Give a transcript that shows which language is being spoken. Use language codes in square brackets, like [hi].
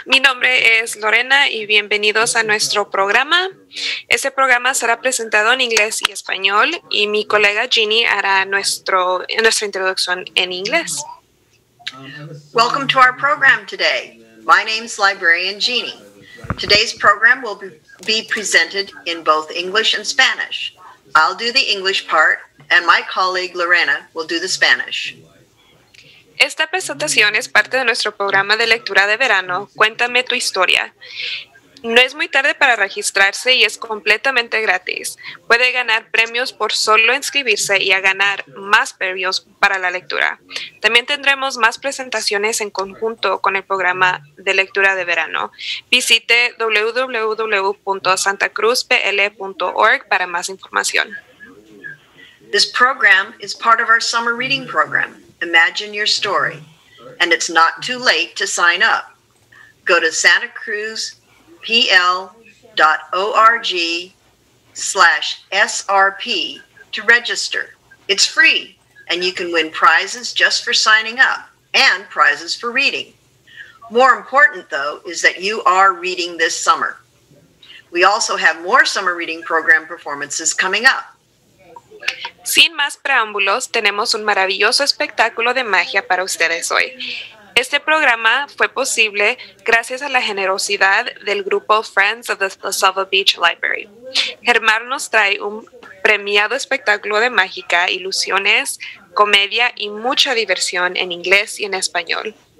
[es] Mi nombre es Lorena y bienvenidos a nuestro programa. Este programa será presentado en inglés y español y mi colega Ginny hará nuestra introducción en inglés. [en] Welcome to our program today. My name is Librarian Ginny. Today's program will be presented in both English and Spanish. I'll do the English part and my colleague Lorena will do the Spanish. [es] Esta presentación es parte de nuestro programa de lectura de verano, Cuéntame tu historia. No es muy tarde para registrarse y es completamente gratis. Puede ganar premios por solo inscribirse y a ganar más premios para la lectura. También tendremos más presentaciones en conjunto con el programa de lectura de verano. Visite www.santacruzpl.org para más información. [en] This program is part of our summer reading program. Imagine your story, and it's not too late to sign up. Go to santacruzpl.org/SRP to register. It's free, and you can win prizes just for signing up and prizes for reading. More important, though, is that you are reading this summer. We also have more summer reading program performances coming up. [es] Sin más preámbulos, tenemos un maravilloso espectáculo de magia para ustedes hoy. Este programa fue posible gracias a la generosidad del grupo Friends of the Saba Beach Library. Germán nos trae un premiado espectáculo de mágica, ilusiones, comedia y mucha diversión en inglés y en español.